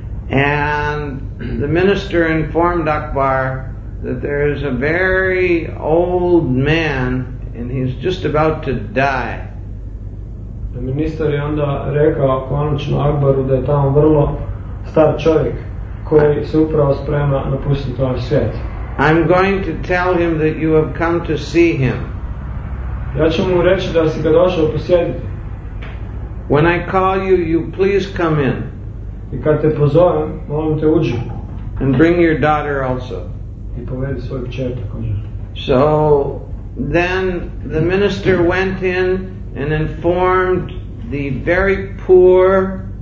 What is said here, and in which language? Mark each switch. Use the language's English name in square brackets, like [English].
[English] And the minister informed Akbar that there is a very old man and he's just about to die. The minister [Croatian] je onda rekao konačno Akbaru da je tamo vrlo star čovjek koji se upravo sprema napustiti ovaj svijet. [English] I'm going to tell him that you have come to see him. [Croatian] Ja ću mu reći da si ga došao posjetiti. [English] When I call you, you please come in. [Croatian] I kad te pozovem, molim te uđi. [English] And bring your daughter also. [Croatian] I povedi svoju kćer također. [English] So then the minister went in and informed the very poor